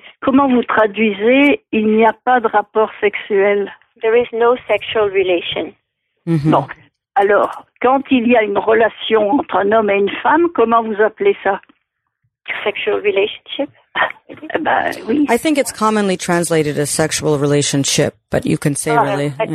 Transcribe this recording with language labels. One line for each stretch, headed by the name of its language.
French: Comment vous traduisez il n'y a pas de rapport sexuel?
English: There is no sexual relation.
French: Mm-hmm. Bon. Alors, quand il y a une relation entre un homme et une femme, comment vous appelez ça?
English: Sexual relationship? I think it's commonly translated as sexual relationship, but you can say really.